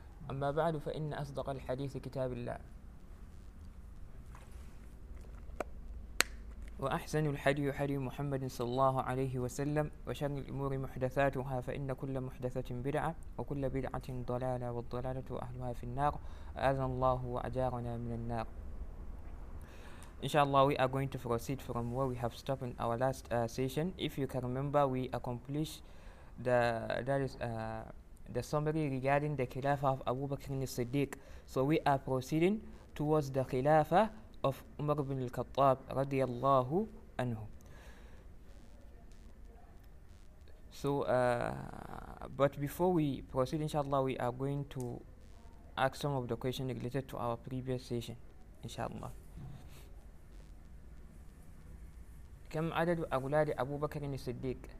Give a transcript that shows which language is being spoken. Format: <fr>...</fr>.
<ar>أما بعد فإن أصدق الحديث كتاب الله وأحسن الحديث حديث محمد صلى الله عليه وسلم وشر الأمور محدثاتها فإن كل محدثة بدعة وكل بدعة ضلالة والضلالة أهلها في النار. أذن الله وأجارنا من النار.</ar> <en>Inshallah, we are going to proceed from where we have stopped in our last session. If you can remember, we accomplished the summary regarding the Khilafah of Abu Bakr al-Siddiq. So we are proceeding towards the Khilafah of Umar ibn al-Khattab radiyallahu anhu. So, but before we proceed, inshallah, we are going to ask some of the questions related to our previous session, inshallah.</en> <ar>كم عدد أولاد أبو بكر الصديق؟</ar>